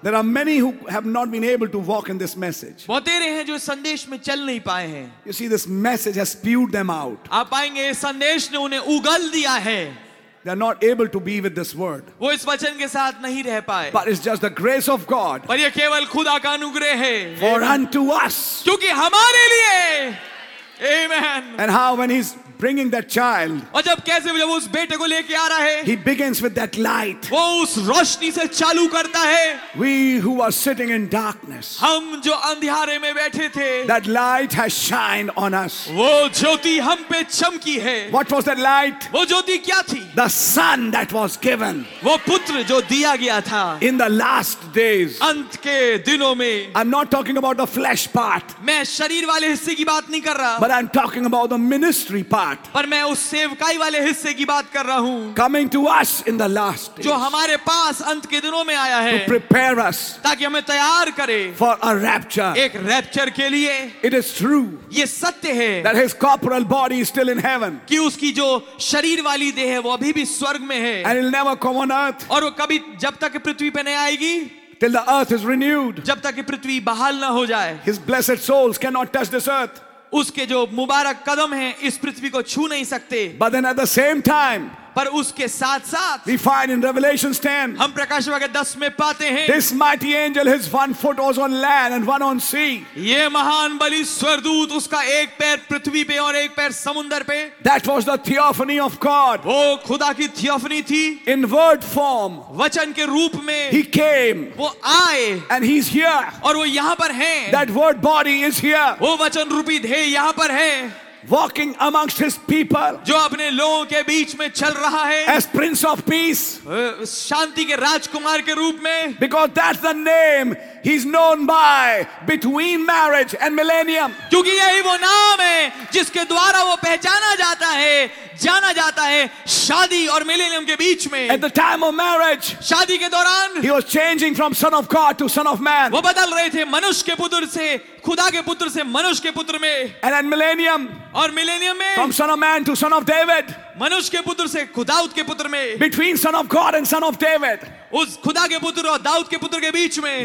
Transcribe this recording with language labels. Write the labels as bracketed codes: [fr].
[en] There are many who have not been able to walk in this message. [hi] बहुत रहे हैं जो संदेश में चल नहीं पाए हैं. [en] You see, this message has spewed them out. [hi] आप पाएंगे संदेश ने उन्हें उगल दिया है. [en] They are not able to be with this word. [hi] वो इस वचन के साथ नहीं रह पाए. [en] But it's just the grace of God. [hi] पर ये केवल खुदा का अनुग्रह है. [en] For unto us. [hi] क्योंकि हमारे लिए. Amen. [en] And how when he's bringing that child, [hi] और जब कैसे जब उस बेटे को लेके आ रहा है, [en] he begins with that light. [hi] वो उस रोशनी से चालू करता है. [en] We who are sitting in darkness, [hi] हम जो अंधियारे में बैठे थे, [en] that light has shined on us. [hi] वो ज्योति हम पे चमकी है. [en] What was that light? [hi] वो ज्योति क्या थी? [en] The son that was given. [hi] वो पुत्र जो दिया गया था. [en] In the last days. [hi] अंत के दिनों में. [en] I'm not talking about the flesh part. [hi] मैं शरीर वाले हिस्से की बात नहीं कर रहा. [en] But I'm talking about the ministry part. [hi] पर मैं उस सेवकाई वाले हिस्से की बात कर रहा हूँ. [en] Coming to us in the last days, [hi] जो हमारे पास अंत के दिनों में आया है. [en] To prepare us, [hi] ताकि हमें तैयार करे. [en] For a rapture, [hi] एक रैप्चर के लिए. [en] It is true, [hi] ये सत्य है. [en] That his corporal body is still in heaven, [hi] कि उसकी जो शरीर वाली देह है वो अभी भी स्वर्ग में है. [en] And he'll never come on earth, [hi] और वो कभी जब तक पृथ्वी पे नहीं आएगी. [en] Till the earth is renewed, [hi] जब तक पृथ्वी बहाल ना हो जाए. [en] His blessed souls cannot touch this earth. [hi] उसके जो मुबारक कदम हैं इस पृथ्वी को छू नहीं सकते. [en] But then at the same time, [hi] पर उसके साथ साथ, [en] we find in Revelation 10, [hi] हम प्रकाशित वाक्य 10 में पाते हैं, [en] this mighty angel, his one foot was on land and one on sea. [hi] ये महान बलि स्वर्गदूत, उसका एक पैर पृथ्वी पे और एक पैर समुद्र पे. [en] That was the theophany of God. [hi] वो खुदा की थियोफनी थी. [en] In word form, [hi] वचन के रूप में, [en] he came. [hi] वो आए. [en] And he's here. [hi] और वो यहाँ पर हैं. [en] That word body is here. [hi] वो वचन रूपी देह यहाँ पर है. [en] Walking amongst his people, [hi] जो अपने लोगों के बीच में चल रहा है, [en] as Prince of Peace, [hi] शांति के राजकुमार के रूप में, [en] because that's the name he's known by between marriage and millennium, [hi] क्योंकि यही वो नाम है जिसके द्वारा वो पहचाना जाता है, जाना जाता है शादी और मिलेनियम के बीच में. [en] At the time of marriage, [hi] शादी के दौरान, [en] he was changing from son of God to son of man, [hi] वो बदल रहे थे मनुष्य के पुत्र से खुदा के पुत्र से मनुष्य के पुत्र में. [en] And at millennium, [hi] और मिलेनियम में, [en] from son of man to son of David, [hi] मनुष्य के पुत्र से खुदाउद के पुत्र में. [en] Between son of God and son of David, [hi] उस खुदा के पुत्र और दाऊद के पुत्र के बीच में,